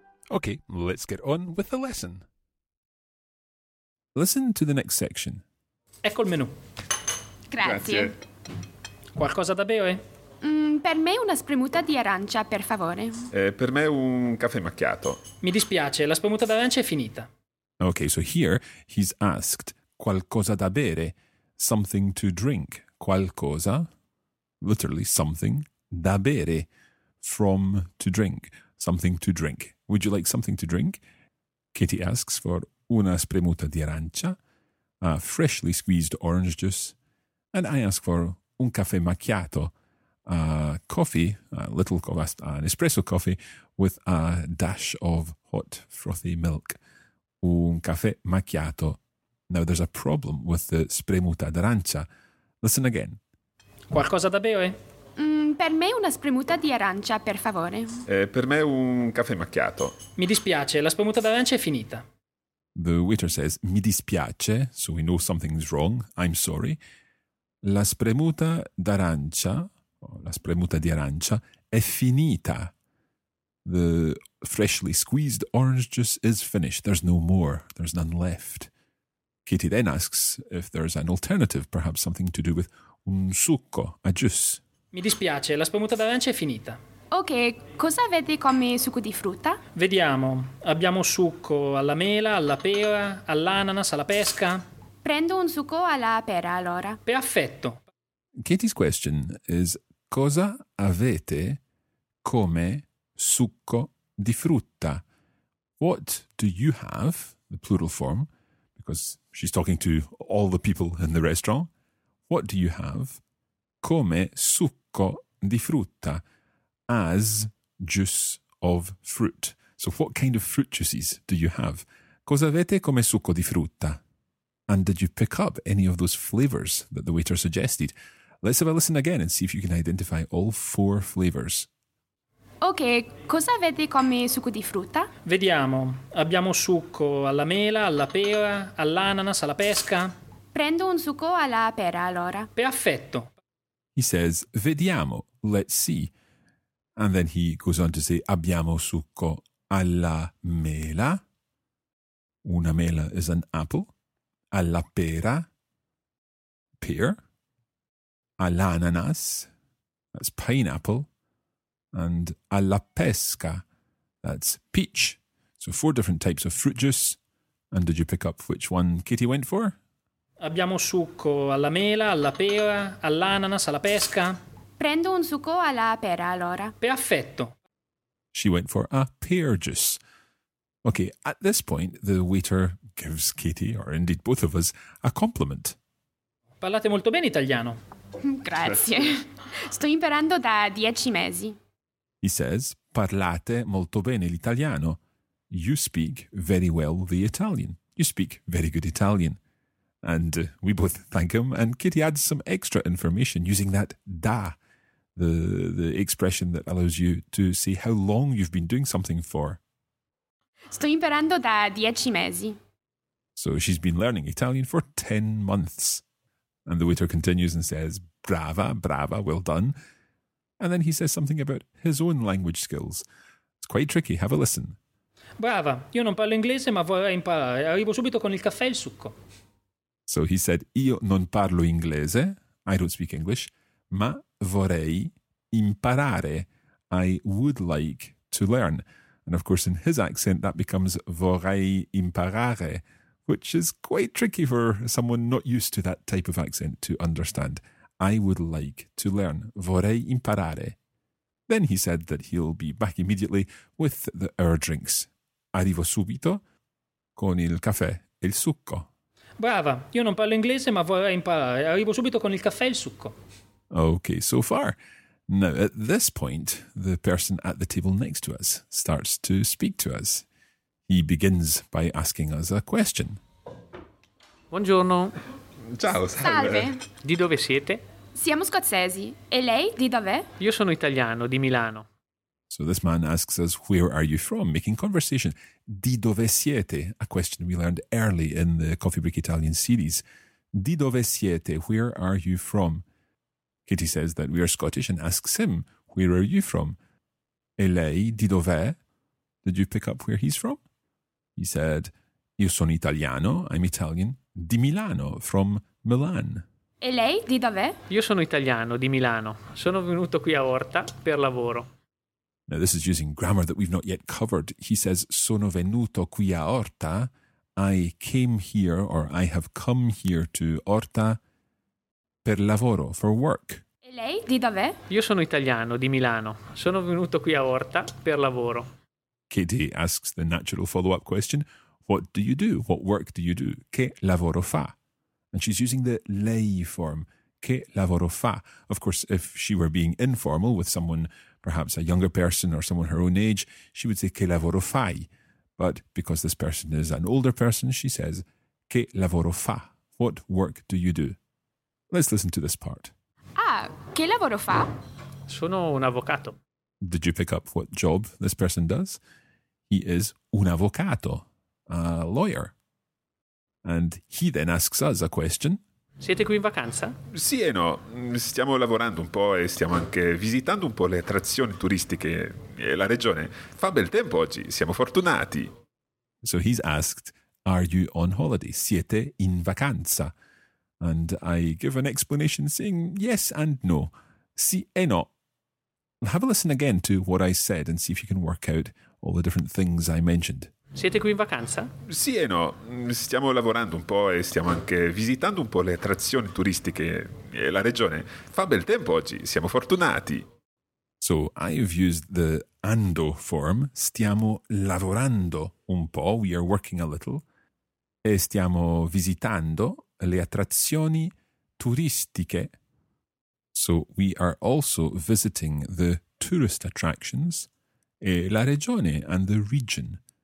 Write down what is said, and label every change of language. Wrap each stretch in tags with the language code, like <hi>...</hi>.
<en>Okay, let's get on with the lesson. Listen to the next section.</en> <it>Ecco il menù. Grazie. Qualcosa da bere? Per me una spremuta di arancia, per favore. Per me un caffè macchiato. Mi dispiace, la spremuta d'arancia è finita.</it> <en>Okay, so here he's asked</en> <it>qualcosa da bere,</it> <en>something to drink. Qualcosa, literally something,</en> <it>da bere,</it> <en>from to drink, something to drink. Would you like something to drink? Katie asks for</en> <it>una spremuta di arancia,</it> <en>a freshly squeezed orange juice. And I ask for</en> <it>un caffè macchiato,</it> <en>a coffee, a little coffee, an espresso coffee with a dash of hot frothy milk.</en> <it>Un caffè macchiato.</it> <en>Now there's a problem with the</en> <it>spremuta d'arancia.</it> <en>Listen again.</en> <it>Qualcosa da bere? Per me una spremuta di arancia, per favore. Per me un caffè macchiato. Mi dispiace, la spremuta d'arancia è finita.</it> <en>The waiter says,</en> <it>mi dispiace,</it> <en>so we know something's wrong, I'm sorry.</en> <it>La spremuta d'arancia, la spremuta di arancia, è finita.</it> <en>The freshly squeezed orange juice is finished. There's no more, there's none left. Katie then asks if there's an alternative, perhaps something to do with</en> <it>un succo,</it> <en>a juice.</en> <it>Mi dispiace, la spremuta d'arancia è finita. Ok, cosa avete come succo di frutta? Vediamo, abbiamo succo alla mela, alla pera, all'ananas, alla pesca. Prendo un succo alla pera, allora. Perfetto.</it> <en>Katie's question is,</en> <it>cosa avete come succo di frutta?</it> <en>What do you have, the plural form, because she's talking to all the people in the restaurant. What do you have</en> <it>come succo di frutta?</it> <en>As juice of fruit. So what kind of fruit juices do you have?</en> <it>Cosa avete come succo di frutta?</it> <en>And did you pick up any of those flavours that the waiter suggested? Let's have a listen again and see if you can identify all four flavours.</en> <it>Ok, cosa avete come succo di frutta? Vediamo. Abbiamo succo alla mela, alla pera, all'ananas, alla pesca. Prendo un succo alla pera, allora. Perfetto.</it> <en>He says, vediamo, let's see. And then he goes on to say,</en> <it>abbiamo succo alla mela. Una mela</it> <en>is an apple.</en> <it>Alla pera,</it> <en>pear.</en> <it>All'ananas,</it> <en>that's pineapple. And</en> <it>alla pesca,</it> <en>that's peach. So four different types of fruit juice. And did you pick up which one Katie went for?</en> <it>Abbiamo succo alla mela, alla pera, all'ananas, alla pesca. Prendo un succo alla pera, allora. Perfetto.</it> <en>She went for a pear juice. Okay, at this point, the waiter gives Katie, or indeed both of us, a compliment.</en> <it>Parlate molto bene italiano. Grazie. Sto imparando da 10 mesi.</it> <en>He says,</en> <it>parlate molto bene l'italiano.</it> <en>You speak very well the Italian. You speak very good Italian. And we both thank him, and Katie adds some extra information using that da, the expression that allows you to see how long you've been doing something for.</en> <it>Sto imparando da 10 mesi.</it> <en>So she's been learning Italian for 10 months. And the waiter continues and says,</en> <it>brava, brava,</it> <en>well done. And then he says something about his own language skills. It's quite tricky, have a listen.</en> <it>Brava, io non parlo inglese ma vorrei imparare, arrivo subito con il caffè e il succo.</it> <en>So he said,</en> <it>io non parlo inglese,</it> <en>I don't speak English,</en> <it>ma vorrei imparare,</it> <en>I would like to learn. And of course, in his accent, that becomes</en> <it>vorrei imparare,</it> <en>which is quite tricky for someone not used to that type of accent to understand. I would like to learn,</en> <it>vorrei imparare.</it> <en>Then he said that he'll be back immediately with the our drinks.</en> <it>Arrivo subito con il caffè e il succo. Brava, io non parlo inglese ma vorrei imparare. Arrivo subito con il caffè e il succo.</it> <en>Okay, so far. Now, at this point, the person at the table next to us starts to speak to us. He begins by asking us a question.</en> <it>Buongiorno. Ciao, salve. Di dove siete? Siamo scozzesi. E lei di dov'è? Io sono italiano, di Milano.</it> <en>So this man asks us, where are you from? Making conversation.</en> <it>Di dove siete?</it> <en>A question we learned early in the Coffee Break Italian series.</en> <it>Di dove siete?</it> <en>Where are you from? Kitty says that we are Scottish and asks him, where are you from?</en> <it>E lei di dov'è?</it> <en>Did you pick up where he's from? He said,</en> <it>io sono italiano,</it> <en>I'm Italian,</en> <it>di Milano,</it> <en>from Milan.</en> <it>E lei di dov'è? Io sono italiano, di Milano. Sono venuto qui a Orta per lavoro.</it> <en>Now this is using grammar that we've not yet covered. He says,</en> <it>sono venuto qui a Orta.</it> <en>I came here, or I have come here to Orta</en> <it>per lavoro,</it> <en>for work.</en> <it>E lei di dov'è? Io sono italiano, di Milano. Sono venuto qui a Orta per lavoro.</it> <en>Kitty asks the natural follow-up question, what do you do? What work do you do?</en> <it>Che lavoro fa?</it> <en>And she's using the lei form,</en> <it>che lavoro fa?</it> <en>Of course, if she were being informal with someone, perhaps a younger person or someone her own age, she would say</en> <it>che lavoro fai.</it> <en>But because this person is an older person, she says</en> <it>che lavoro fa?</it> <en>What work do you do? Let's listen to this part.</en> <it>Ah, che lavoro fa? Sono un avvocato.</it> <en>Did you pick up what job this person does? He is</en> <it>un avvocato,</it> <en>a lawyer. And he then asks us a question.</en> <it>Siete qui in vacanza? Sì e no. Stiamo lavorando un po' e stiamo anche visitando un po' le attrazioni turistiche e la regione. Fa bel tempo oggi, siamo fortunati.</it> <en>So he's asked, are you on holiday?</en> <it>Siete in vacanza?</it> <en>And I give an explanation saying yes and no.</en> <it>Sì e no.</it> <en>Have a listen again to what I said and see if you can work out all the different things I mentioned.</en> <it>Siete qui in vacanza? Sì e no. Stiamo lavorando un po' e stiamo anche visitando un po' le attrazioni turistiche e la regione. Fa bel tempo oggi, siamo fortunati.</it> <en>So I've used the ando form.</en> <it>Stiamo lavorando un po',</it> <en>we are working a little.</en> <it>E stiamo visitando le attrazioni turistiche.</it> <en>So we are also visiting the tourist attractions</en> <it>e la regione</it> <en>and the region.</en>